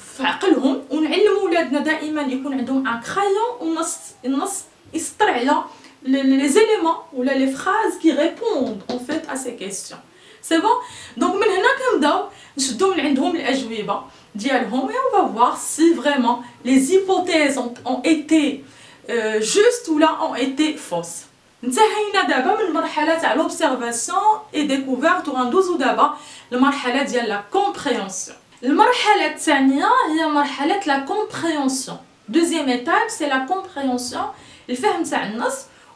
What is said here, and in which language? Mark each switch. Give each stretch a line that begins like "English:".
Arabic: فعقلهم ونعلموا ولادنا دائما يكون عندهم ان كرايون ونص النص يسطر على
French: les éléments ou là les phrases qui répondent en fait à ces questions. C'est bon? Donc maintenant comme d'hab, je donne
Arabic: عندهم الاجوبه ديالهم
French: et on va voir si vraiment les hypothèses ont été justes ou là ont été fausses.
Arabic: نتهينا دابا من المرحله تاع
French: l'observation et découverte
Arabic: ou ندوزو دابا للمرحله ديال
French: la compréhension.
Arabic: المرحله الثانيه هي مرحله
French: la compréhension. Deuxième étape, c'est la compréhension,
Arabic: الفهم تاع النص.